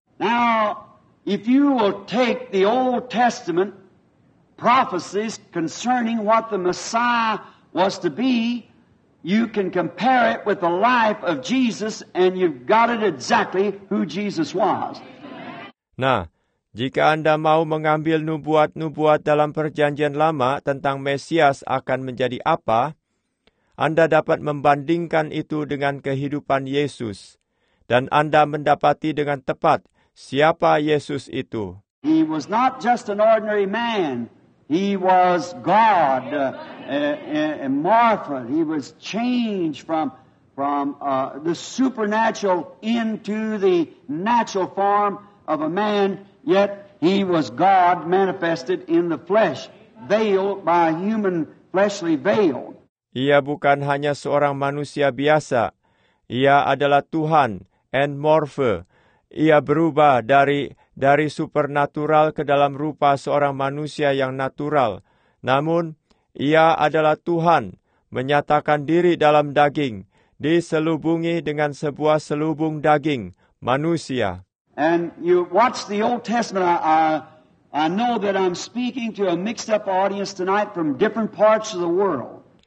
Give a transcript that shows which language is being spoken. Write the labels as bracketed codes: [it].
[en] Now, if you will take the Old Testament prophecies concerning what the Messiah was to be, you can compare it with the life of Jesus and you've got it exactly who Jesus was. [id] Nah, jika Anda mau mengambil nubuat-nubuat dalam Perjanjian Lama tentang Mesias akan menjadi apa, Anda dapat membandingkan itu dengan kehidupan Yesus, dan Anda mendapati dengan tepat siapa Yesus itu. [en] He was not just an ordinary man. He was God, Marfa. He was changed from the supernatural into the natural form of a man, yet he was God manifested in the flesh, veiled by a human fleshly veil. [id] Ia bukan hanya seorang manusia biasa. Ia adalah Tuhan, and Morpher. Ia berubah dari supernatural ke dalam rupa seorang manusia yang natural. Namun, ia adalah Tuhan, menyatakan diri dalam daging, diselubungi dengan sebuah selubung daging, manusia. [en] And you watch the Old Testament. I know that I'm speaking to a mixed-up audience tonight from different parts of the world.